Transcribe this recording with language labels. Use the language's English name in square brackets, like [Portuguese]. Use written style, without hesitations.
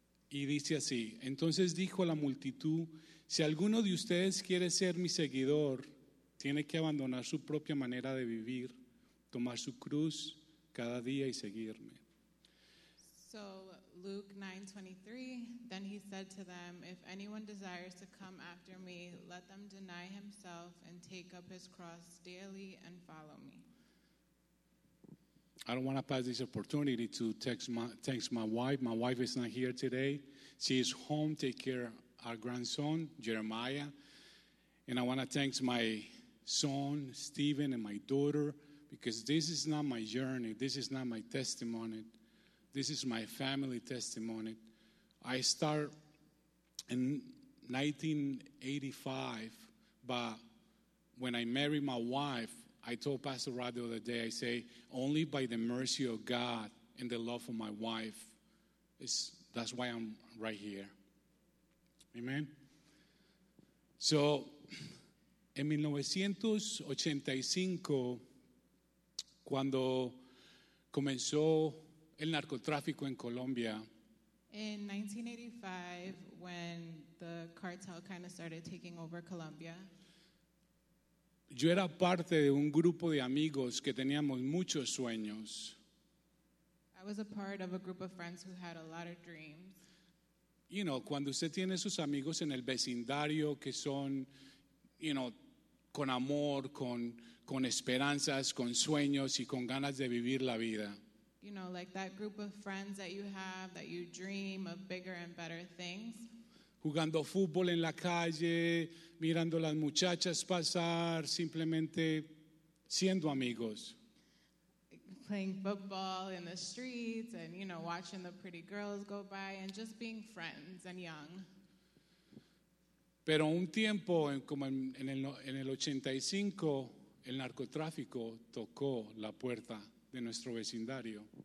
[Spanish] Y dice así, entonces dijo a la multitud, si alguno de ustedes quiere ser mi seguidor, tiene que abandonar su propia manera de vivir, tomar su cruz cada día y seguirme. [English] So Luke 9:23, then he said to them, if anyone desires to come after me, let them deny himself and take up his cross daily and follow me. I don't want to pass this opportunity to text my wife. My wife is not here today. She is home taking care of our grandson, Jeremiah. And I want to thank my son, Stephen, and my daughter, because this is not my journey. This is not my testimony. This is my family testimony. I start in 1985, but when I married my wife, I told Pastor Rod the other day, I say, only by the mercy of God and the love of my wife, that's why I'm right here. Amen? So, in 1985, [Spanish] cuando comenzó el narcotráfico en Colombia. [English] In 1985, when the cartel kind of started taking over Colombia. [Spanish] Yo era parte de un grupo de amigos que teníamos muchos sueños. [English] I was a part of a group of friends who had a lot of dreams. You know, [Spanish] cuando usted tiene sus amigos en el vecindario que son, [English] you know, [Spanish] con amor, con esperanzas, con sueños y con ganas de vivir la vida. [English] You know, like that group of friends that you have that you dream of bigger and better things. [Spanish] Jugando fútbol en la calle, mirando las muchachas pasar, simplemente siendo amigos. [English] Playing football in the streets and, you know, watching the pretty girls go by and just being friends and young. [Spanish] Pero un tiempo, como en el 85, el narcotráfico tocó la puerta de nuestro vecindario.